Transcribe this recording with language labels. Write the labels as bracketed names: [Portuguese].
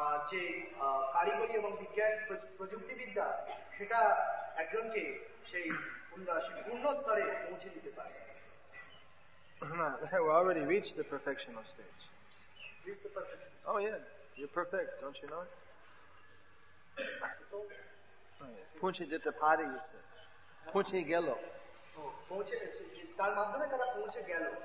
[Bangla] যে কারিগরি এবং বিজ্ঞান প্রযুক্তিবিদ্যা সেটা একজনকে সেই পূর্ণ স্তরে পৌঁছে দিতে পারে. [English] They have already reached the perfectional stage. This the perfect. Oh yeah, you're perfect, don't you know it? [Bangla] পৌঁছে যেতে পারে, [English] you said. [Bangla] পৌঁছে গেল. Oh, পৌঁছে তার মাধ্যমে তারা পৌঁছে গেল.